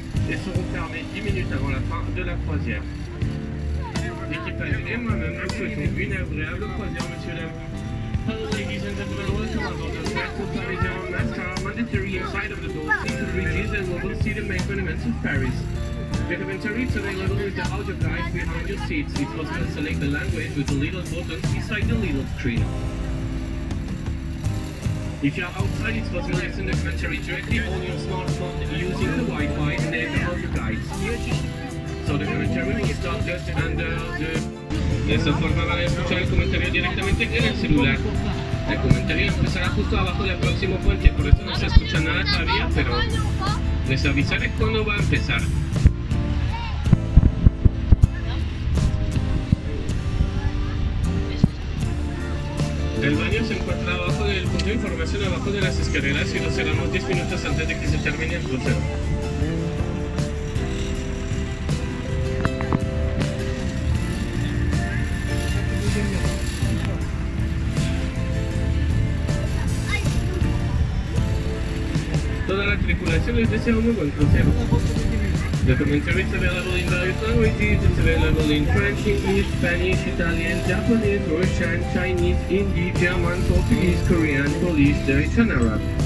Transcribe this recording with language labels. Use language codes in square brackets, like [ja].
[fr] Et seront fermés 10 minutes avant la fin de la croisière. L'équipage et moi-même vous souhaitons une agréable croisière, monsieur Lam. [en] Hello ladies and gentlemen, welcome aboard the Bateaux Parisiens. Masks are mandatory inside of the door, see the bridges and we will see the main monuments of Paris. The commentary is available with the audio guide behind your seats. It's possible to select the language with the little buttons beside the little screen. If you are outside, it's possible to listen to the commentary directly on your smartphone using the Wi-Fi and then all your guides. So the commentary will start just under the... [es] De esa forma van a escuchar el comentario directamente en el celular. El comentario empezará justo abajo del próximo puente, por eso no se escucha nada todavía, pero les avisaré cuándo va a empezar. El baño se encuentra abajo del punto de información, abajo de las escaleras, y lo cerramos 10 minutos antes de que se termine el crucero. Toda la tripulación les desea un muy buen crucero. [en] The commentary is available in various languages. It's available in French, English, Spanish, Italian, Japanese, Russian, Chinese, Hindi, German, Portuguese, Korean, Polish, Dutch, and Arab.